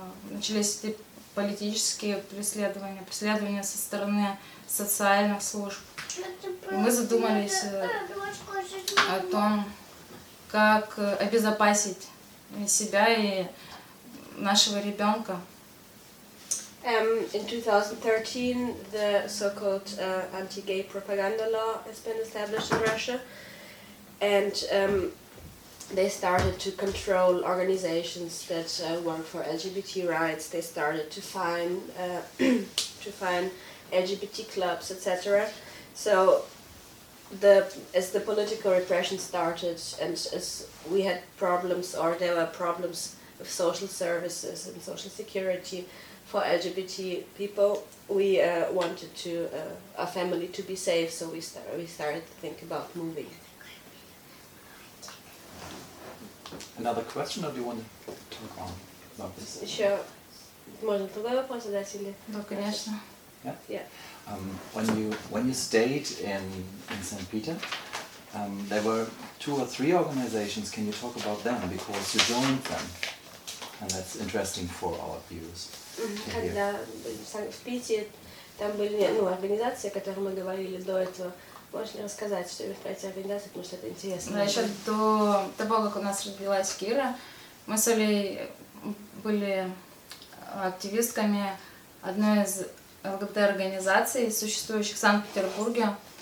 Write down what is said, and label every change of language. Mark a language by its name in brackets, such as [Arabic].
[Russian] Начались эти политические преследования, преследования со стороны социальных служб. Мы задумались о том, как обезопасить себя и нашего ребенка. [English] In 2013, the so-called anti-gay propaganda law has been established in Russia, and they started to control organizations that work for LGBT rights. They started to find LGBT clubs, etc. So, as the political repression started, and as we had problems, or there were problems with social services and social security for LGBT people, we wanted to our family to be safe, so we started to think about moving. Another question, or do you want to talk on about this? Sure. No, [Russian] конечно. [English] Yeah. Yeah. When you stayed in St. Peter, there were two or three organizations. Can you talk about them? Because you joined them, and that's interesting for our viewers. [Russian] Когда в Санкт-Питере там были организации, о которых мы говорили до этого, можешь ли рассказать что-нибудь про эти организации, потому что это интересно? Еще до того, как у нас родилась Кира, мы с Олей были активистками одной из ЛГБТ-организаций, существующих в Санкт-Петербурге.